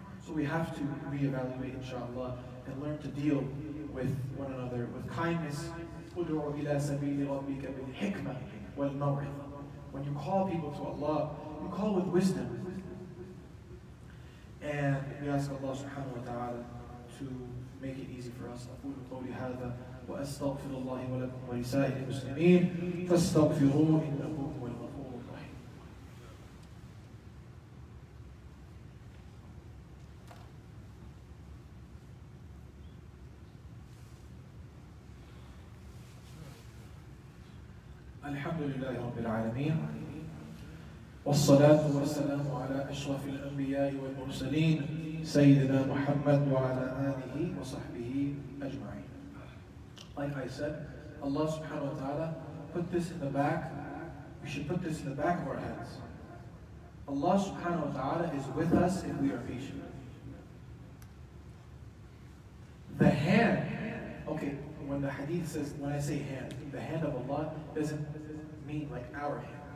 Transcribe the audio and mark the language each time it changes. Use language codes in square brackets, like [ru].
[en] So we have to reevaluate, inshallah, and learn to deal with one another with kindness. [ar] Udu'u ila sabili rabbika bil hikmah wal mawrid. [en] When you call people to Allah, you call with wisdom. And we ask Allah subhanahu wa ta'ala to make it easy for us. [ar] أقول قولي هذا وأستغفر الله ولكم ولسائر المسلمين فاستغفروه إنه هو الغفور الرحيم. الحمد لله رب العالمين. والصلاة والسلام على أشرف الأنبياء والمرسلين سيدنا محمد وعلى آله وصحبه أجمعين. [en] Like I said, Allah subhanahu wa ta'ala put this in the back. We should put this in the back of our heads. Allah subhanahu wa ta'ala is with us if we are patient. The hand, okay, when the hadith says, when I say hand, the hand of Allah doesn't mean like our hand.